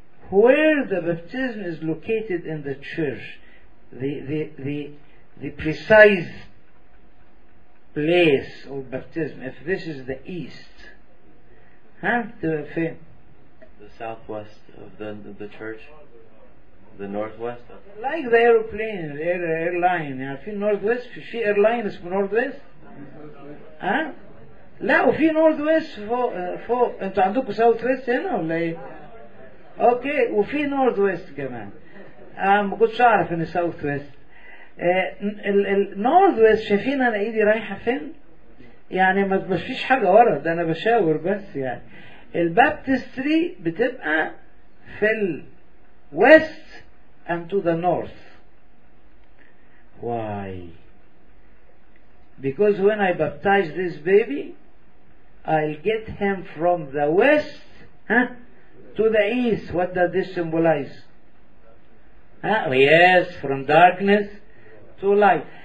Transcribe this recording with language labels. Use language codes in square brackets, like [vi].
[en] where the baptism is located in the church, the precise place of baptism, if this is the east, the southwest of the church, the northwest, like the airplane, the airline, you know, northwest, she airlines from northwest, huh? [ar] لا وفي نورث ويست فوق انتوا عندكم ساوث ويست هنا ولا ايه؟ اوكي وفي نورث ويست كمان. ما كنتش اعرف ان ساوث ويست. النورث ويست شايفين انا ايدي رايحه فين؟ يعني ما فيش حاجه ورا ده انا بشاور بس يعني. [en] البابتستري [ar] بتبقى في [en] الويست and to the north. Why? Because when I baptize this baby I'll get him from the west to the east. What does this symbolize? Yes, from darkness to light.